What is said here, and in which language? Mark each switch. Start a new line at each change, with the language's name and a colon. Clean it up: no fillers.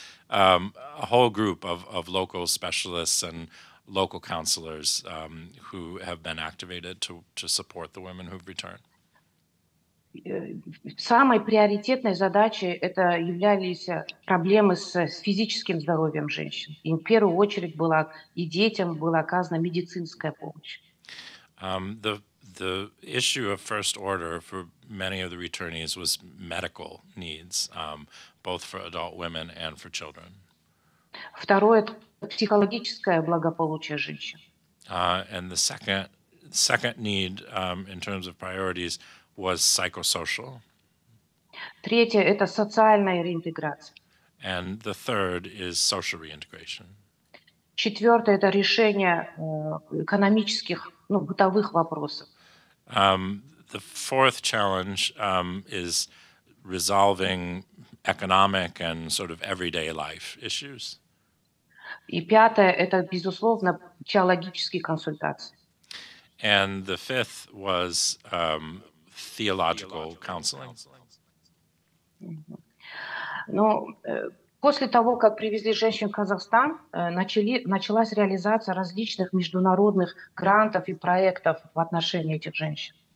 English: It's a whole group of local specialists and local counselors who have been activated to support the women who've returned.
Russian: Самой приоритетной задачей это являлись проблемы с физическим здоровьем женщин. И в первую очередь была и детям была оказана медицинская помощь.
English: The the issue of first order for many of the returnees was medical needs, both for adult women and for children.
Russian: Второе — это психологическое благополучие женщин.
English: And the second need in terms of priorities was psychosocial.
Russian: Третье — это социальная реинтеграция.
English: And the third is social reintegration.
Russian: Четвертое — это решение экономических, ну, бытовых вопросов.
English: The fourth challenge is resolving economic and sort of everyday life issues.
Russian: И пятое — это, безусловно, психологические консультации.
English: And the fifth was theological counseling.
Russian: Но после того, как привезли женщин в Казахстан, началась реализация различных международных грантов и проектов в отношении этих женщин.